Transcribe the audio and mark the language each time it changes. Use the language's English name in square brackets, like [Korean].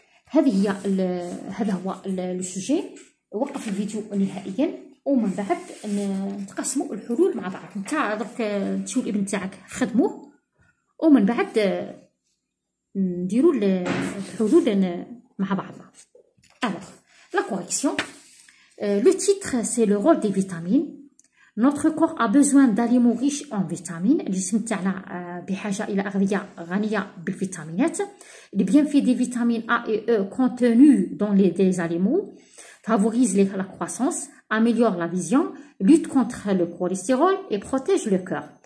[Arabic] هذا هو السوجي. وقف الفيديو نهائيا ومن بعد نتقسموا الحلول مع بعض. نتاع درك تشوف الابن تاعك خدموه ومن بعد نديروا الحلول مع بعض. [French] alors la correction, le titre c'est le rôle des vitamines. Notre corps a besoin d'aliments riches en vitamines. [Arabic] الجسم تاعنا بحاجه الى اغذيه غنيه بالفيتامينات. [French] les bienfaits des vitamines A et E contenus dans les aliments favorise la croissance, améliore la vision, lutte contre le cholestérol et protège le cœur.